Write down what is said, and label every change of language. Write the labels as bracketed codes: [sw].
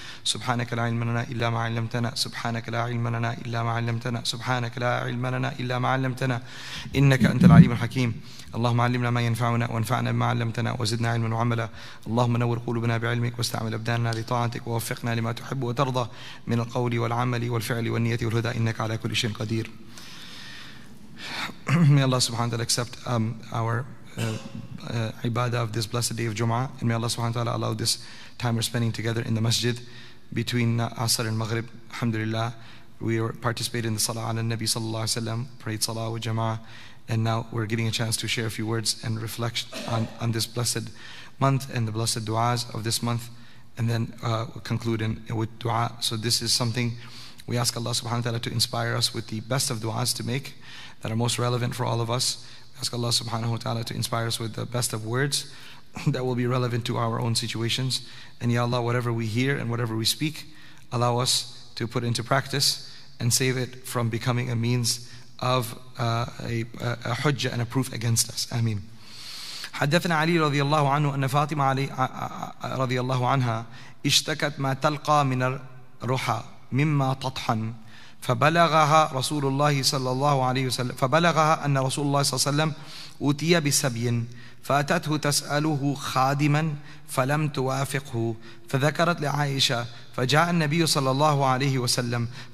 [ar] سبحانك لا علم لنا إلا ما علمتنا, سبحانك لا علم لنا إلا ما علمتنا, سبحانك لا علم لنا إلا ما علمتنا, إنك أنت العليم الحكيم. اللهم علمنا ما ينفعنا وانفعنا بما علمتنا وزدنا علما وعملا. اللهم نور قلوبنا بعلمك واستعمل أبداننا لطاعتك ووفقنا لما تحب وترضى من القول والعمل والفعل والنية والهدى, إنك على كل شيء قدير. [en] May Allah subhanahu wa ta'ala accept our ibadah of this blessed day of Jum'ah, and may Allah subhanahu wa ta'ala allow this time we're spending together in the masjid between Asr and Maghrib. Alhamdulillah, we participated in the salah ala Nabi sallallahu alayhi wa sallam, prayed salah with Jum'ah, and now we're getting a chance to share a few words and reflect on this blessed month and the blessed du'as of this month, and then we'll conclude with du'a. So this is something we ask Allah subhanahu wa ta'ala to inspire us with the best of du'as to make that are most relevant for all of us. We ask Allah subhanahu wa ta'ala to inspire us with the best of words that will be relevant to our own situations. And Ya Allah, whatever we hear and whatever we speak, allow us to put into practice and save it from becoming a means of a hujjah and a proof against us. Ameen. [ar] حدثنا علي رضي الله عنه أن فاطمة علي رضي الله عنها اشتكت ما تلقى من الرحى مما تطحن فبلغها رسول الله صلى الله عليه وسلم فبلغها أن رسول الله صلى الله عليه وسلم أتي بسبي فأتته تسأله خادما فلم توافقه فذكرت لعائشة فجاء النبي صلى الله عليه وسلم